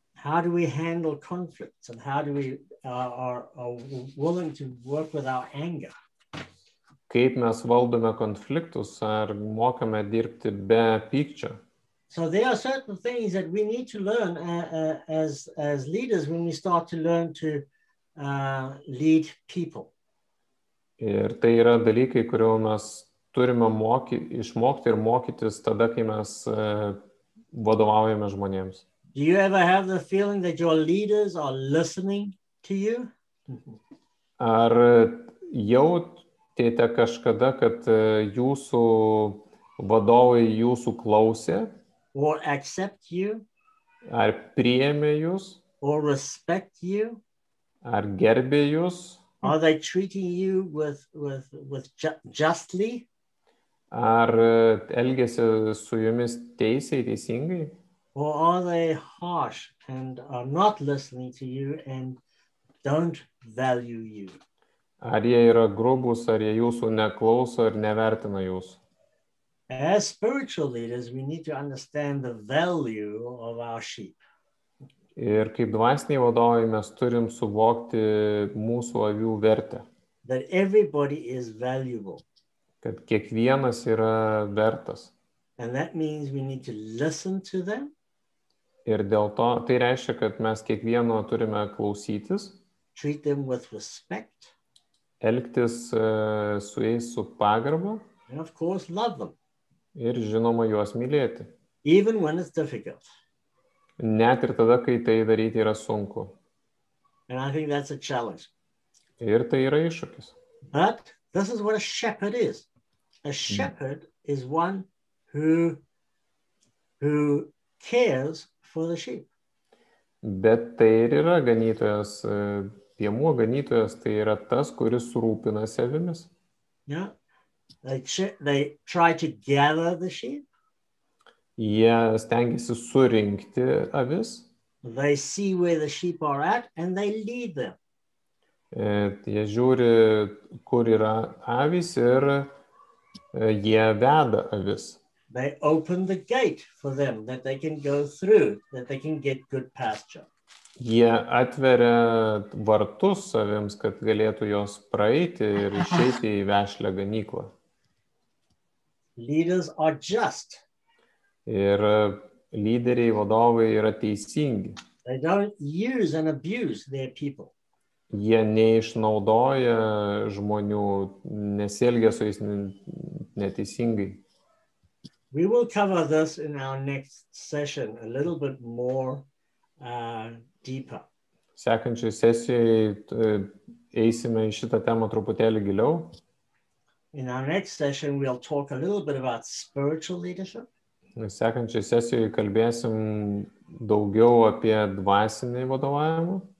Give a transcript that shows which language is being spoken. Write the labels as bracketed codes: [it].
[en] How do we handle conflicts and how do we are willing to work with our anger? [lt] Kaip mes valdome konfliktus ar mokame dirbti be pykčio? [en] So there are certain things that we need to learn as leaders when we start to learn to lead people. [lt] Ir tai yra dalykai, kurio mes turime išmokti ir mokytis tada, kai mes vadovaujame žmonėms. [en] Do you ever have the feeling that your leaders are listening to you? [lt] Ar jautėte kažkada, kad jūsų vadovai jūsų klausė? [en] Or accept you? [lt] Ar priėmė jūs? [en] Or respect you? [lt] Ar gerbė jūs? [en] Are they treating you with justly? [lt] Ar elgėsi su jumis teisiai, teisingai? [en] Or are they harsh and are not listening to you and don't value you? [lt] Ar jie yra grubus, ar jie jūsų neklauso ir nevertina jūsų? [en] As spiritual leaders, we need to understand the value of our sheep. [lt] Ir kaip dvasiniai vadovai, mes turim suvokti mūsų avių vertę. [en] That everybody is valuable. [lt] Kad kiekvienas yra vertas. [en] And that means we need to listen to them. [lt] Ir dėl to, tai reiškia, kad mes kiekvieno turime klausytis. [en] Treat them with respect. [lt] Elgtis su jais su pagarba. [en] And of course, love them. [lt] Ir žinoma, juos mylėti. [en] Even when it's difficult. [lt] Net ir tada, kai tai daryti yra sunku. [en] And I think that's a challenge. [lt] Ir tai yra iššūkis. [en] But this is what a shepherd is. A shepherd is one who cares for the sheep. [lt] Bet tai ir yra ganytojas, piemuo ganytojas, tai yra tas, kuris rūpina savimis. [en] Yeah. They try to gather the sheep. [lt] Jie stengiasi surinkti avis. [en] They see where the sheep are at and they lead them. [lt] Jie žiūri, kur yra avis ir jie veda avis. [en] They open the gate for them that they can go through, that they can get good pasture. [lt] Jie atveria vartus savims, kad galėtų jos praeiti ir išeiti į vešlią ganyklą. [en] Leaders are just. [lt] Ir lyderiai, vadovai yra teisingi. [en] They don't use and abuse their people. [lt] Jie neišnaudoja žmonių, nesielgia su jais neteisingai. [en] We will cover this in our next session a little bit more deeper. [lt] Sekančioje sesijoje eisime į šitą temą truputėlį giliau. [en] In our next session we'll talk a little bit about spiritual leadership. [lt] Sekančioje sesijoje kalbėsim daugiau apie dvasinį vadovavimą.